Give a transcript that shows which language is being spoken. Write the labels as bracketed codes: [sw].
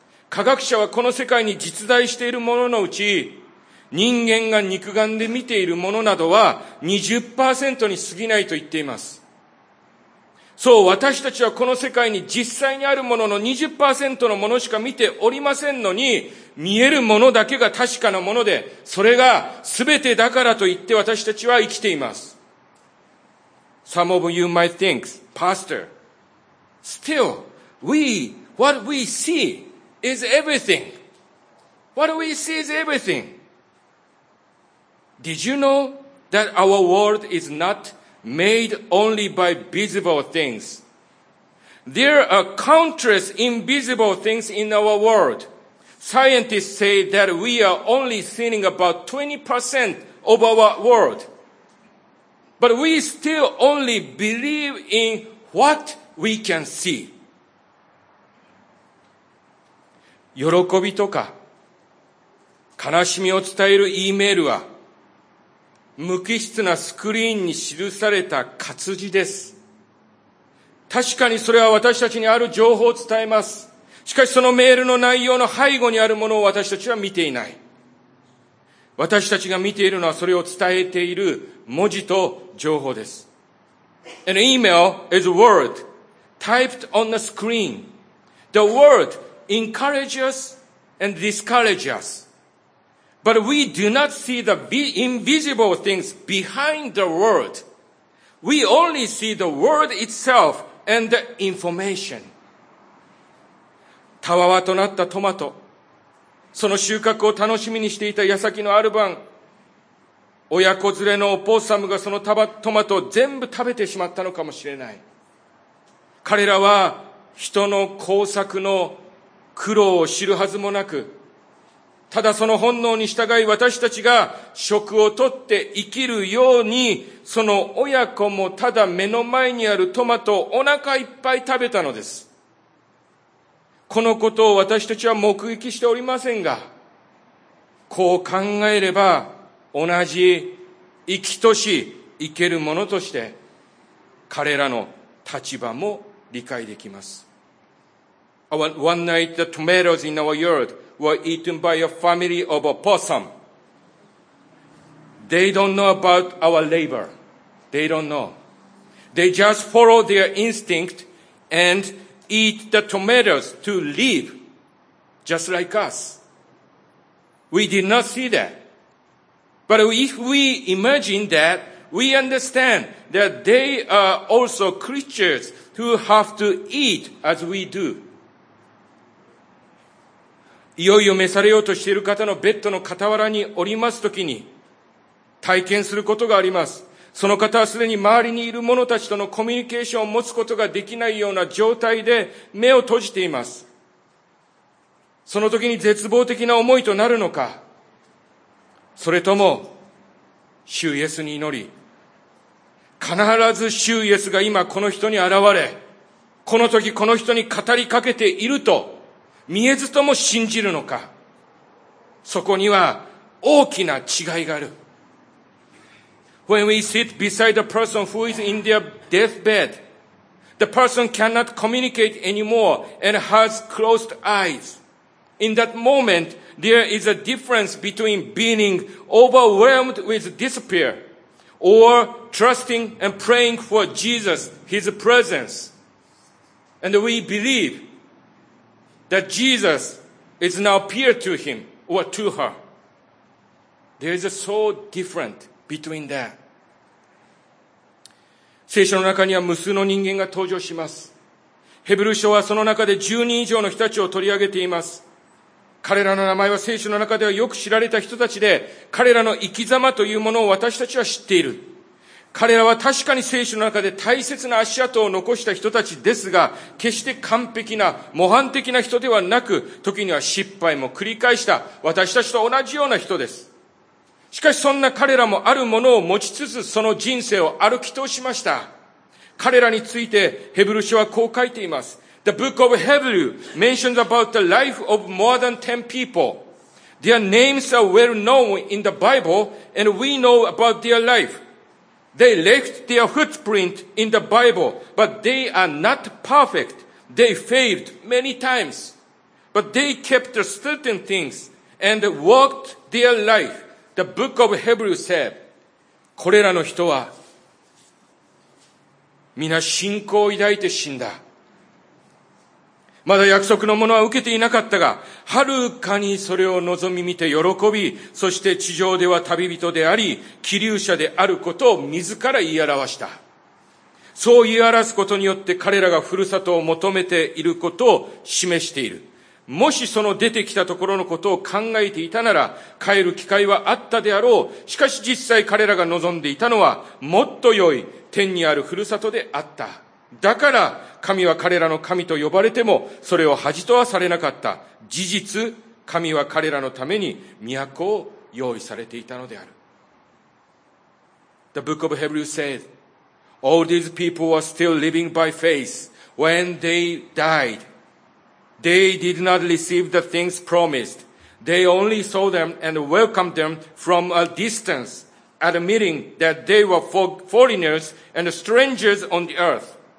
[ja] 科学者はこの世界に実在しているもののうち、人間が肉眼で見ているものなどは 20% に過ぎないと言っています。そう、私たちはこの世界に実際にあるものの 20% のものしか見ておりませんのに、見えるものだけが確かなもので、それが全てだからと言って私たちは生きています。 [en] Some of you might think, Pastor, still, what we see is everything. What we see is everything. Did you know that our world is not made only by visible things? There are countless invisible things in our world. Scientists say that we are only seeing about 20% of our world. But we still only believe in what we can see. [ja] 喜びとか悲しみを伝える E メールは無機質なスクリーンに記された活字です。確かにそれは私たちにある情報を伝えます。しかしそのメールの内容の背後にあるものを私たちは見ていない。私たちが見ているのはそれを伝えている文字と情報です。 [en] An email is a word typed on the screen. The word encourages and discourages us. But we do not see the invisible things behind the word. We only see the word itself and the information. [ja] たわわとなったトマト。その収穫を楽しみにしていた矢先のある晩、親子連れのオポッサムがそのトマトを全部食べてしまったのかもしれない。彼らは人の工作の苦労を知るはずもなく、ただその本能に従い私たちが食を取って生きるように、その親子もただ目の前にあるトマトをお腹いっぱい食べたのです。このことを私たちは目撃しておりませんが、こう考えれば同じ生きとし生けるものとして彼らの立場も理解できます。 [en] One night the tomatoes in our yard were eaten by a family of a possum. They don't know about our labor. They don't know. They just follow their instinct andEat the tomatoes to live, just like us. We did not see that. But if we imagine that, we understand that they are also creatures who have to eat as we do. [ja] いよいよ召されようとしている方のベッドの傍らにおりますときに、体験することがあります。その方はすでに周りにいる者たちとのコミュニケーションを持つことができないような状態で目を閉じています。その時に絶望的な思いとなるのか、それとも、主イエスに祈り、必ず主イエスが今この人に現れ、この時この人に語りかけていると、見えずとも信じるのか、そこには大きな違いがある。 [en] When we sit beside a person who is in their deathbed, the person cannot communicate anymore and has closed eyes. In that moment, there is a difference between being overwhelmed with despair or trusting and praying for Jesus, His presence. And we believe that Jesus is now appear to him or to her. There is a so different between that. [ja] 聖書の中には無数の人間が登場します。ヘブル書はその中で10人以上の人たちを取り上げています。彼らの名前は聖書の中ではよく知られた人たちで、彼らの生き様というものを私たちは知っている。彼らは確かに聖書の中で大切な足跡を残した人たちですが、決して完璧な模範的な人ではなく、時には失敗も繰り返した私たちと同じような人です。しかしそんな彼らもあるものを持ちつつその人生を歩き通しました。彼らについてヘブル書はこう書いています。 [en] The book of Hebrew mentions about the life of more than 10 people. Their names are well known in the Bible and we know about their life. They left their footprint in the Bible, but they are not perfect. They failed many times, but they kept certain things and walked their life. The book of Hebrews said, [ja] これらの人は皆信仰を抱いて死んだ。まだ約束のものは受けていなかったが、はるかにそれを望み見て喜び、そして地上では旅人であり、希留者であることを自ら言い表した。そう言い表すことによって彼らがふるさとを求めていることを示している。もしその出てきたところのことを考えていたなら、帰る機会はあったであろう。しかし実際彼らが望んでいたのは、もっと良い天にあるふるさとであった。だから神は彼らの神と呼ばれてもそれを恥じとはされなかった。事実、神は彼らのために都を用意されていたのである。 [en] The book of Hebrews said, All these people were still living by faith. When they died, they did not receive the things promised. They only saw them and welcomed them from a distance, admitting that they were foreigners and strangers on the earth.